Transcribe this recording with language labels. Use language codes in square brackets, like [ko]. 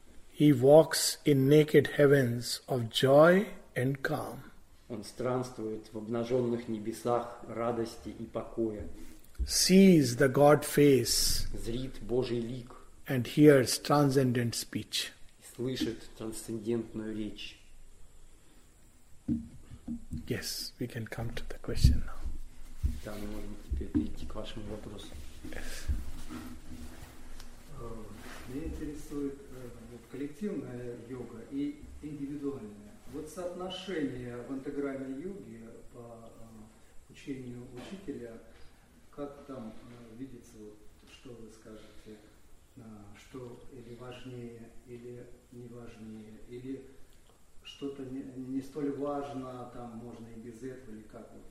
[en] He walks in naked heavens of joy and calm. [ru] Он странствует в обнаженных небесах радости и покоя. [en] Sees the God face. [ru] Зрит Божий лик. [en] And hears transcendent speech. [ru] Слышит трансцендентную речь. [en] Yes, we can come to the question now. [ru] Да, мы можем теперь перейти к вашему вопросу. [en] Yes. [ru] Меня интересует коллективная йога и индивидуальная. Вот соотношение в антаграмме йоги по учению учителя, как там видится, что вы скажете, что или важнее, или не важнее, или что-то не столь важно, там можно и без этого, или как?